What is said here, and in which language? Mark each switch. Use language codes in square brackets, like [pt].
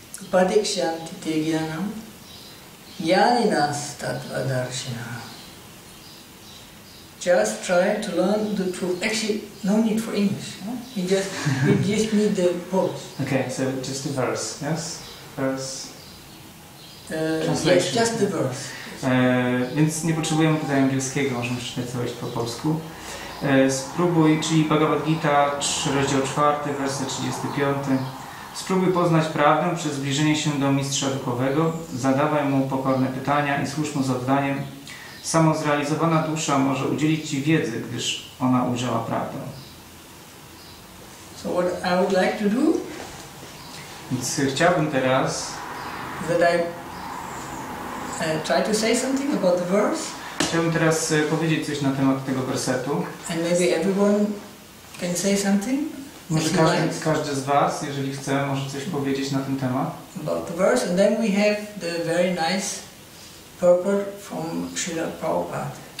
[sa] Padikshyanti tegyanam. Jnaninas tattva darshina. [en] Just try to learn the truth. Actually, no need for English. Huh? We just need the quotes. Okay, so just the verse, yes? Verse? Translation. Yes, just the verse. [pl] Więc nie potrzebujemy tutaj angielskiego, możemy czytać całość po polsku. Spróbuj, czyli Bhagavad Gita, rozdział 4, werset 35. Spróbuj poznać prawdę przez zbliżenie się do mistrza duchowego. Zadawaj mu pokorne pytania i służ mu z oddaniem. Samozrealizowana dusza może udzielić ci wiedzy, gdyż ona ujrzała prawdę. [en] So what I would like to do? [pl] Więc chciałbym teraz... [en] That I try to say something about the verse. [pl] Chciałbym teraz powiedzieć coś na temat tego wersetu. [en] And maybe everyone can say something. [pl] Może każdy z was, jeżeli chce, może coś powiedzieć na ten temat. [en] About the verse, and then we have the very nice purport from Srila Prabhupada.